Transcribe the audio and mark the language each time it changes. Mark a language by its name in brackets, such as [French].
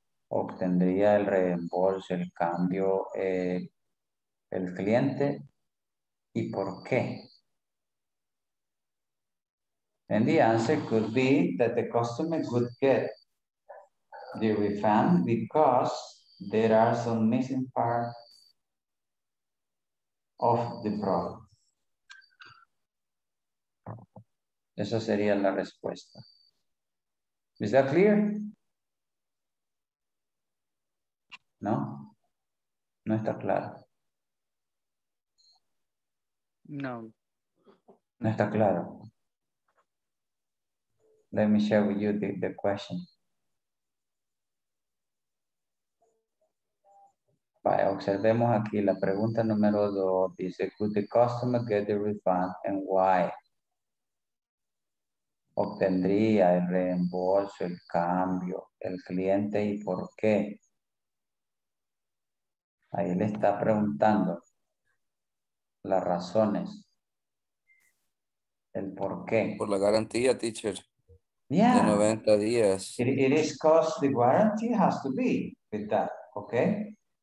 [Spanish] ¿Obtendría el reembolso, el cambio, el cliente? ¿Y por qué? [English] And the answer could be that the customer would get the refund because there are some missing parts of the product. [Spanish] Esa sería la respuesta. [English] Is that clear? [Spanish] No? No está claro. No. No está claro. [English] Let me share with you the question. [Spanish] Vaya, observemos aquí la pregunta número 2. Dice, [English] could the customer get the refund and why? [Spanish] ¿Obtendría el reembolso, el cambio, el cliente y por qué? Ahí le está preguntando las razones, el por qué. Por la garantía, teacher. [English] Yeah. [Spanish] De 90 días. [English] It is cost, the guarantee has to be with that, okay?